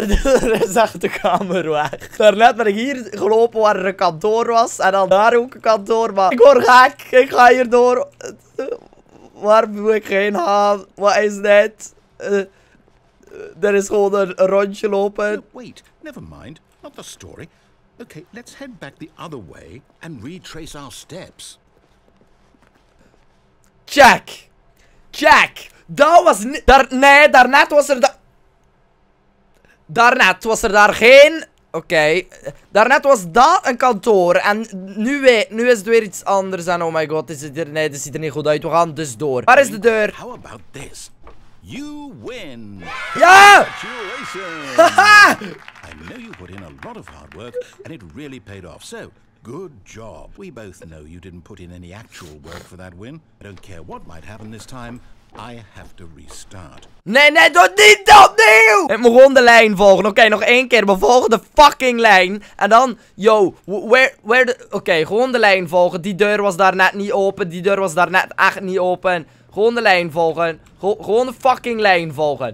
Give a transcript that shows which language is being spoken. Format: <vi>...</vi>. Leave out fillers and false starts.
<nl>Er is echt de kamer weg. Daarnet ben ik hier gelopen waar er een kantoor was. En dan daar ook een kantoor, maar... Ik word gek. Ik ga hier door. Waar moet ik heen gaan? Wat is dit? Er is gewoon een rondje lopen.</nl> <en>No, wait, never mind. Not the story. Okay, let's head back the other way and retrace our steps.</en> <nl>Check! Check! Dat was niet... Nee, daarnet was er Daarnet was er daar geen... Okay. Daarnet was dat een kantoor. En nu is het weer iets anders. En</nl> <en>oh my god,</en> <nl>is het er... Nee, dat ziet er niet goed uit. We gaan dus door. Waar is de deur?</nl> <en>How about this? You win!</en> <nl>Ja!</nl> <en>Congratulations! Haha! I know you put in a lot of hard work and it really paid off. So... Good job. We both know you didn't put in any actual work for that win. I don't care what might happen this time. I have to restart.</en> <nl>Nee, nee, doe niet dat deel! Ik moet gewoon de lijn volgen. Oké, nog één keer. We volgen de fucking lijn. En dan,</nl> <en>yo, where the...</en> <nl>Oké, gewoon de lijn volgen. Die deur was daar net niet open. Die deur was daar net echt niet open. Gewoon de lijn volgen. Gewoon de fucking lijn volgen.</nl>